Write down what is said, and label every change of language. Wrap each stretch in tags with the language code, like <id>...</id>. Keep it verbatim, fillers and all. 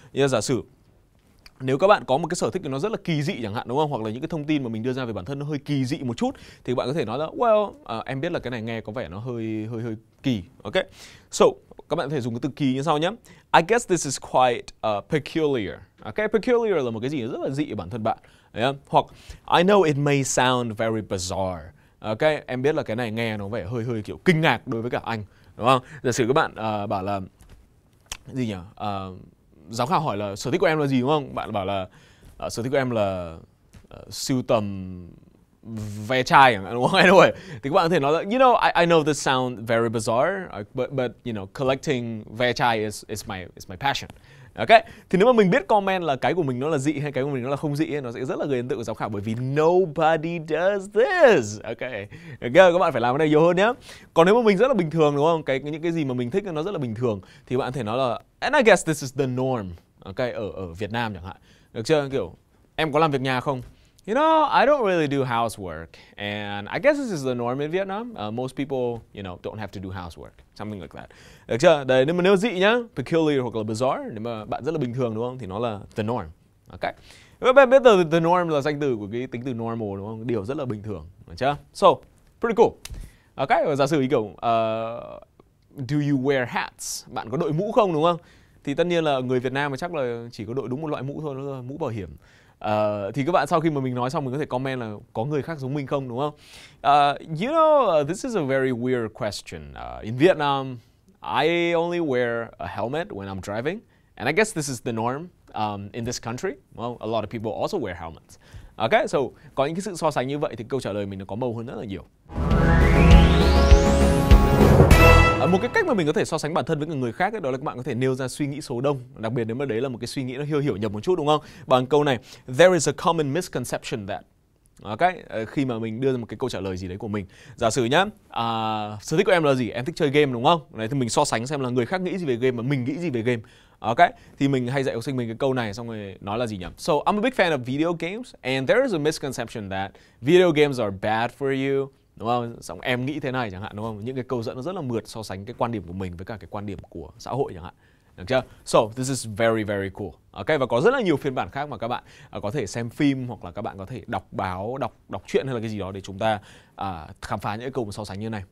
<vi>Như giả sử nếu các bạn có một cái sở thích thì nó rất là kỳ dị chẳng hạn đúng không? Hoặc là những cái thông tin mà mình đưa ra về bản thân nó hơi kỳ dị một chút thì các bạn có thể nói là well, à, em biết là cái này nghe có vẻ nó hơi hơi hơi kỳ. Ok. So, các bạn có thể dùng cái từ kỳ như sau nhé.</vi> <en>I guess this is quite uh, peculiar.</en> <vi>Ok, peculiar là một cái gì rất là dị ở bản thân bạn.</vi> <en>Yeah.</en> <vi>Hoặc</vi> <en>I know it may sound very bizarre.</en> <vi>Ok, em biết là cái này nghe nó vẻ hơi hơi kiểu kinh ngạc đối với cả anh, đúng không? Giả sử các bạn uh, bảo là gì nhỉ? Uh, Giáo khảo hỏi là sở thích của em là gì đúng không? Bạn bảo là uh, sở thích của em là uh, sưu tầm ve chai đúng không?</vi> <en>Anyway,</en> <vi>thì các bạn có thể nói là</vi> <en>you know, I, I know this sounds very bizarre, but, but you know, collecting ve chai is, is, my, is my passion.</en> <vi>Ok, thì nếu mà mình biết comment là cái của mình nó là dị hay cái của mình nó là không dị ấy, nó sẽ rất là gây ấn tượng của giám khảo bởi vì</vi> <en>nobody does this.</en> <vi>Ok, okay các bạn phải làm cái này nhiều hơn nhé. Còn nếu mà mình rất là bình thường đúng không? Cái những cái gì mà mình thích nó rất là bình thường thì bạn có thể nói là</vi> <en>and I guess this is the norm.</en> <vi>Ok, ở ở Việt Nam chẳng hạn, được chưa? Kiểu em có làm việc nhà không?</vi> <en>You know, I don't really do housework, and I guess this is the norm in Vietnam. Uh, most people, you know, don't have to do housework, something like that.</en> <vi>Được chưa? Đấy, nếu mà nếu dị nhá, peculiar hoặc là bizarre, nếu mà bạn rất là bình thường đúng không? Thì nó là the norm. Okay. Các bạn biết từ the norm là danh từ của cái tính từ normal đúng không? Điều rất là bình thường, được chưa?</vi> <en>So, pretty cool. Okay,</en> <vi>giả sử ý kiểu,</vi> <en>uh, do you wear hats?</en> <vi>Bạn có đội mũ không đúng không? Thì tất nhiên là người Việt Nam mà chắc là chỉ có đội đúng một loại mũ thôi, đó là mũ bảo hiểm. Uh, thì các bạn sau khi mà mình nói xong mình có thể comment là có người khác giống mình không đúng không?</vi> <en>Uh, you know, uh, this is a very weird question. Uh, in Vietnam, I only wear a helmet when I'm driving, and I guess this is the norm um, in this country. Well, a lot of people also wear helmets.</en> <vi>Okay, so có những cái sự so sánh như vậy thì câu trả lời mình nó có màu hơn rất là nhiều. Một cái cách mà mình có thể so sánh bản thân với người khác ấy, đó là các bạn có thể nêu ra suy nghĩ số đông. Đặc biệt nếu mà đấy là một cái suy nghĩ nó hiểu hiểu nhầm một chút đúng không? Bằng câu này,</vi> <en>there is a common misconception that. Okay.</en> <vi>Khi mà mình đưa ra một cái câu trả lời gì đấy của mình. Giả sử nhá, uh, sở thích của em là gì? Em thích chơi game đúng không? Đấy, thì mình so sánh xem là người khác nghĩ gì về game mà mình nghĩ gì về game. Okay. Thì mình hay dạy học sinh mình cái câu này xong rồi nói là gì nhỉ?</vi> <en>So I'm a big fan of video games and there is a misconception that video games are bad for you.</en> <vi>Đúng không? Xong em nghĩ thế này chẳng hạn đúng không? Những cái câu dẫn nó rất là mượt so sánh cái quan điểm của mình với cả cái quan điểm của xã hội chẳng hạn. Được chưa?</vi> <en>So, this is very very cool.</en> <vi>Ok, và có rất là nhiều phiên bản khác mà các bạn uh, có thể xem phim hoặc là các bạn có thể đọc báo, đọc đọc truyện hay là cái gì đó để chúng ta uh, khám phá những cái câu so sánh như này.</vi>